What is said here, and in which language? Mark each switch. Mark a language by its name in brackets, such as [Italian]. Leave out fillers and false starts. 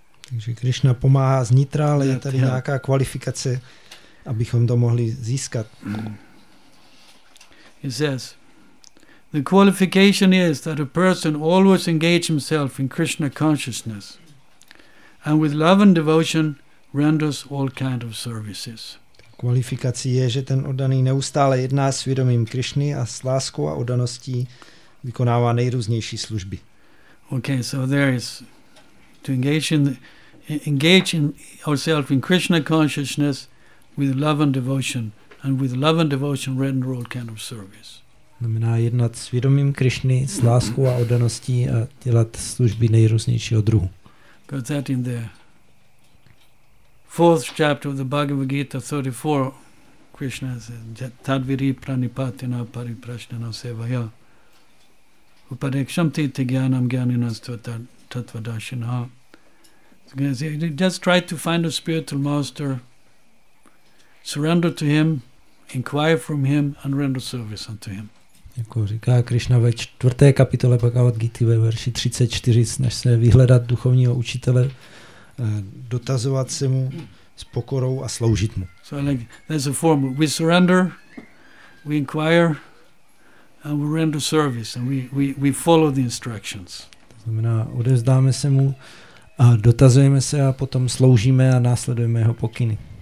[Czech] Takže Krishna pomáhá znitra, ale je tady nějaká kvalifikace, abychom to mohli získat. [English] He says, the qualification is that a person always engage himself in Krishna consciousness and with love and devotion renders all kind of services. [Czech] Kvalifikací je, že ten oddaný neustále jedná s vědomím Krishny a s láskou a oddaností vykonává nejrůznější služby. [English] Okay, so there is to engage ourselves in Krishna consciousness with love and devotion, and with love and devotion render all kind of service. [Czech] Znamená jednat s vědomím Krishny, s láskou a oddaností a dělat služby nejrůznějšího druhu. [English] Got that in the fourth chapter of the Bhagavad Gita 34, Krishna says, [Sanskrit] Tadviri pranipatina pariprasnana sevaya upadeksham tita gyanam gyaninas tatvadashinaha. [English] Just try to find a spiritual master, surrender to him, inquire from him and render service unto him. [Czech] Jako říká Krishna ve čtvrté kapitole Bhagavad Gita ve verši 34, snaž se vyhledat duchovního učitele, dotazovat se mu s pokorou a sloužit mu. [English] So like, there's a form. We surrender, we inquire and we render service and we follow the instructions. [Czech] To znamená, odevzdáme se mu a dotazujeme se a potom sloužíme a následujeme jeho pokyny.